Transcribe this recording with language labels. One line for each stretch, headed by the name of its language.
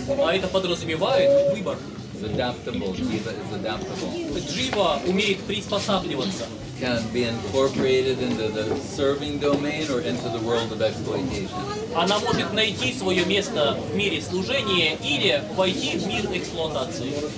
Russian: А это подразумевает выбор.
English: It's adaptable. Jiva is adaptable.
Russian: Jiva умеет приспосабливаться.
English: Can be incorporated into the serving domain or into the world of exploitation.
Russian: Она может найти свое место в мире служения или войти в мир эксплуатации.